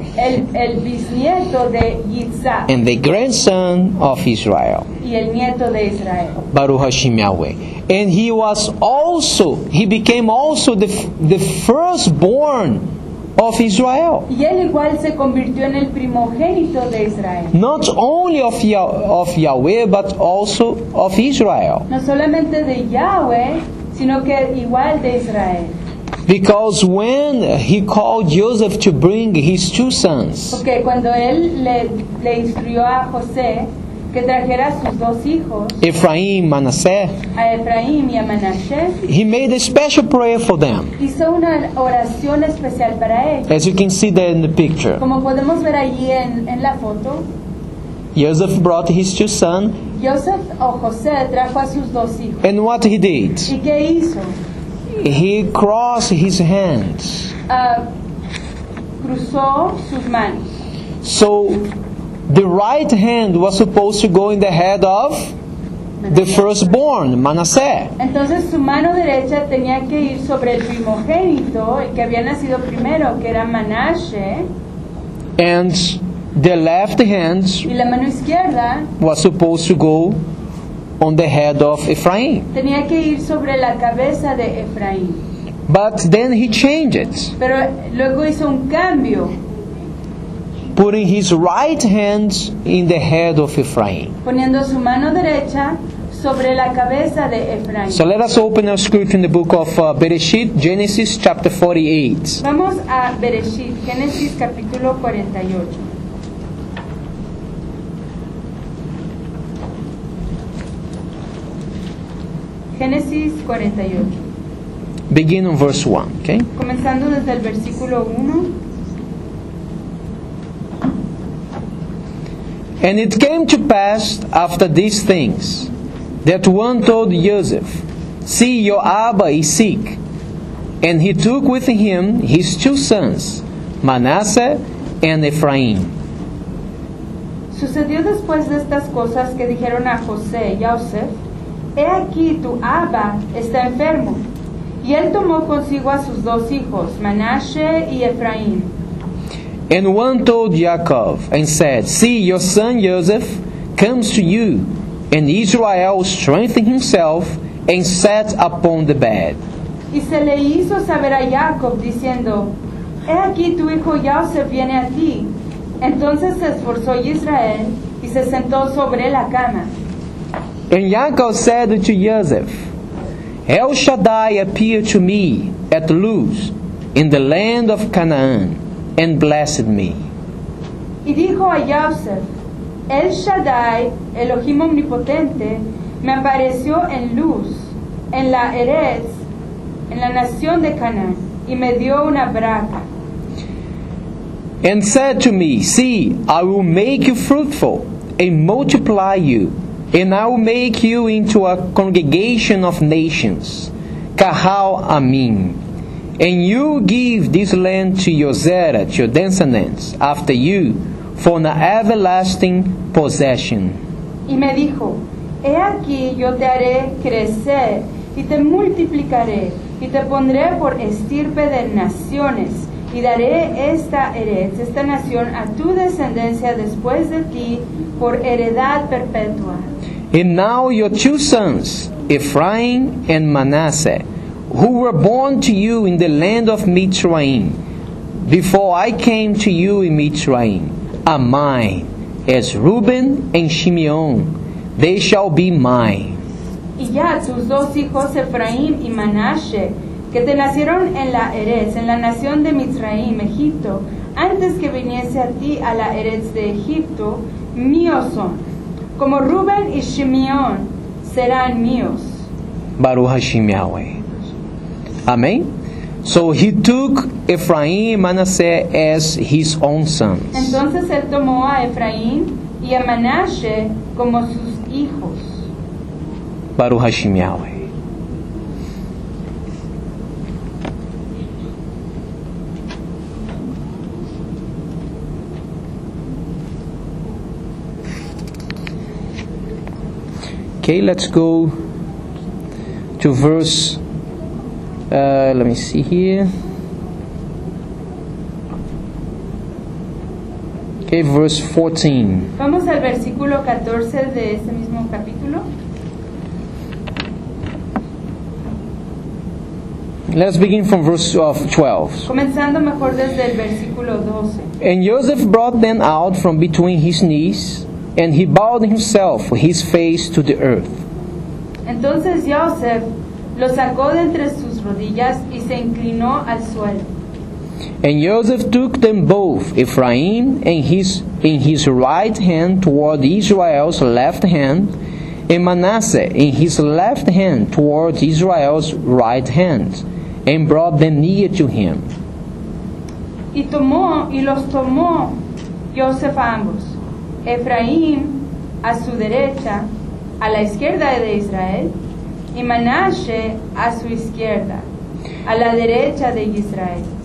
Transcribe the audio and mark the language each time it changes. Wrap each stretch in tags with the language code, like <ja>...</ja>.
<es>El bisnieto de Yitzhak.</es> <en>And the grandson of Israel.</en> <es>Y el nieto de Israel.</es> <he>Baruch Hashem Yahweh.</he> <en>And he became also the firstborn of Israel.</en> <es>Y él igual se convirtió en el primogénito de Israel.</es> <en>Not only of Yahweh, but also of Israel.</en> <es>No solamente de Yahweh, sino que igual de Israel.</es> <en>Because when he called Joseph to bring his two sons.</en> <es>Porque cuando él le instruyó a José que trajera sus dos hijos.</es> <en>Ephraim, Manasseh.</en> <es>A Ephraim y a Manasseh.</es> <en>He made a special prayer for them.</en> <es>Hizo una oración especial para ellos.</es> <en>As you can see there in the picture.</en> <es>Como podemos ver allí en la foto.</es> <en>Joseph brought his two sons.</en> <es>Joseph o José trajo a sus dos hijos.</es> <en>And what he did?</en> <es>¿Y qué hizo?</es> <en>He crossed his hands.</en> <es>Cruzó sus manos.</es> <en>So the right hand was supposed to go in the head of the firstborn, Manasseh.</en> <es>Entonces su mano derecha tenía que ir sobre el primogénito que había nacido primero, que era Manasseh.</es> <en>And the left hand</en> <es>y la mano izquierda</es> <en>was supposed to go on the head of Ephraim.</en> <es>Tenía que ir sobre la cabeza de Ephraim.</es> <en>But then he changed it.</en> <es>Pero luego hizo un cambio.</es> <en>Putting his right hand in the head of Ephraim.</en> <es>Poniendo su mano derecha sobre la cabeza de Ephraim.</es> <en>So let us open our script in the book of Bereshit, Genesis chapter 48.</en> <es>Vamos a Bereshit, Genesis capítulo 48. Génesis 48.</es> <en>Begin on verse 1, okay?</en> <es>Comenzando desde el versículo 1.</es> <en>And it came to pass after these things that one told Joseph, "See, your Abba is sick." And he took with him his two sons, Manasseh and Ephraim.</en> <es>Sucedió después de estas cosas que dijeron a José y a Joseph, he aquí tu Abba está enfermo. Y él tomó consigo a sus dos hijos, Manasseh y Ephraim.</es> <en>And one told Jacob and said, see, your son Joseph comes to you. And Israel strengthened himself and sat upon the bed.</en> <es>Y se le hizo saber a Jacob diciendo, he aquí tu hijo Joseph viene a ti. Entonces se esforzó Israel y se sentó sobre la cama.</es> <en>And Jacob said to Joseph, El Shaddai appeared to me at Luz, in the land of Canaan, and blessed me.</en> <es>Y dijo a Joseph, El Shaddai, Elohim Omnipotente, me apareció en Luz, en la Eretz, en la nación de Canaan, y me dio una braca.</es> <en>And said to me, See, I will make you fruitful, and multiply you. And I will make you into a congregation of nations, Kahal Amin. And you give this land to your Zerah, to your descendants, after you, for an everlasting possession.</en> <es>Y me dijo, he aquí yo te haré crecer, y te multiplicaré, y te pondré por estirpe de naciones, y daré esta heredad, esta nación, a tu descendencia después de ti, por heredad perpetua.</es> <en>And now your two sons, Ephraim and Manasseh, who were born to you in the land of Mitzrayim, before I came to you in Mitzrayim, are mine, as Reuben and Shimeon, they shall be mine.</en> <es>Y ya tus dos hijos, Ephraim y Manasseh, que te nacieron en la Eretz, en la nación de Mitzrayim, Egipto, antes que viniese a ti a la Eretz de Egipto, míos son. Como Rubén y Shimeón serán míos.</es> <he>Baruch Hashem Yahweh. Amén.</he> <en>So he took Ephraim and Manasseh as his own sons.</en> <es>Entonces él tomó a Ephraim y a Manasseh como sus hijos.</es> <he>Baruch Hashem Yahweh.</he> <en>Okay, let's go to verse, let me see here. Okay, verse 14.</en> <es>Vamos al versículo 14 de ese mismo capítulo.</es> <en>Let's begin from verse 12.</en> <es>Comenzando mejor desde el versículo 12.</es> <en>And Joseph brought them out from between his knees, and he bowed himself with his face to the earth.</en> <es>Entonces Joseph lo sacó de entre sus rodillas y se inclinó al suelo.</es> <en>And Joseph took them both, Ephraim in his right hand toward Israel's left hand, and Manasseh in his left hand toward Israel's right hand, and brought them near to him.</en> <es>Y tomó y los tomó Joseph a ambos, Ephraim a su derecha, a la izquierda de Israel, y Manasseh a su izquierda, a la derecha de Israel.</es>